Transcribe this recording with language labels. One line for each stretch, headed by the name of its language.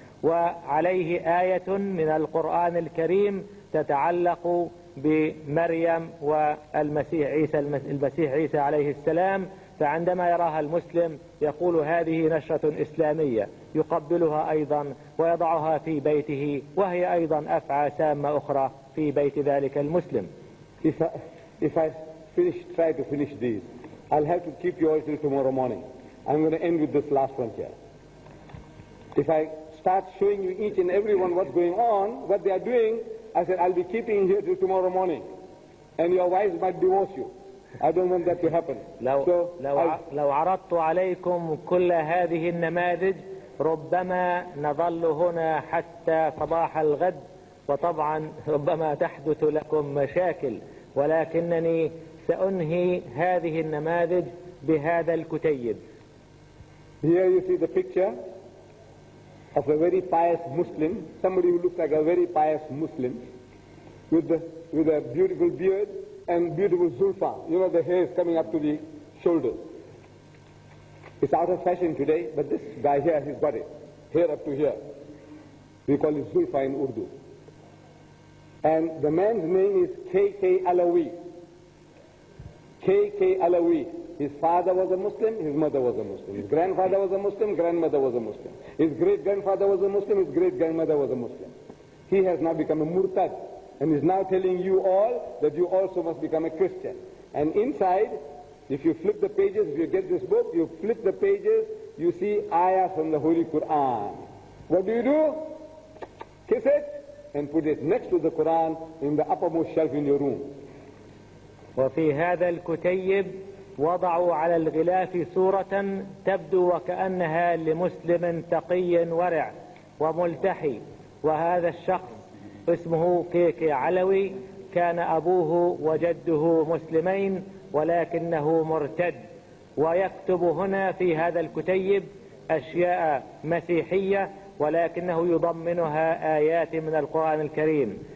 Arabic: وعليه آية من القرآن الكريم تتعلق بمريم والمسيح عيسى، المسيح عيسى عليه السلام. فعندما يراها المسلم يقول هذه نشرة إسلامية، يقبلها أيضا ويضعها في بيته، وهي أيضا أفعى سامة أخرى في بيت ذلك المسلم.
English: If I try to finish these, I'll have to keep you until tomorrow morning. I'm going to end with this last one here. If I start showing you each and every one what's going on, what they are doing, I said I'll be keeping you here till tomorrow morning, and your wives might divorce you. I don't want that to happen.
Arabic: لو عرضت عليكم كل هذه النماذج ربما نظل هنا حتى صباح الغد، وطبعا ربما تحدث لكم مشاكل، ولكنني سأنهي هذه النماذج بهذا الكتيب.
English: Here you see the picture of a very pious Muslim, somebody who looks like a very pious Muslim, with a beautiful beard and beautiful zulfa. You know, the hair is coming up to the shoulders. It's out of fashion today, but this guy here, he's got it. Hair up to here. We call it zulfa in Urdu. And the man's name is K.K. Alawi. K.K. Alawi. His father was a Muslim, his mother was a Muslim. His grandfather was a Muslim, grandmother was a Muslim. His great-grandfather was a Muslim, his great-grandmother was a Muslim. He has now become a murtad. And he's now telling you all that you also must become a Christian. And inside, if you flip the pages, if you get this book, you flip the pages, you see ayah from the Holy Quran. What do you do? Kiss it and put it next to the Quran in the uppermost shelf in your room.
Arabic: وفي هذا الكتيب وضعوا على الغلاف صورة تبدو وكأنها لمسلم تقي ورع وملتحي، وهذا الشخص اسمه كيكي علوي، كان أبوه وجده مسلمين ولكنه مرتد، ويكتب هنا في هذا الكتيب أشياء مسيحية ولكنه يضمنها آيات من القرآن الكريم.